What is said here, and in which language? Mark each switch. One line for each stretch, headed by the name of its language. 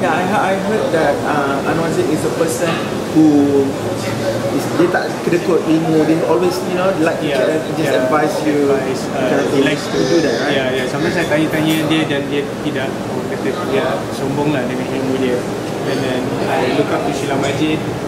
English: Yeah, I heard that Anwar Zain is a person who is,
Malay: dia tak kedekut ilmu, dia
English: always, you know, like just advise you. He likes to do that, right? Yeah.
Malay: Sama saya tanya-tanya dia dan dia tidak, orang kata dia sombong lah dengan ilmu dia.
English: And then I look up to Sheila Majid.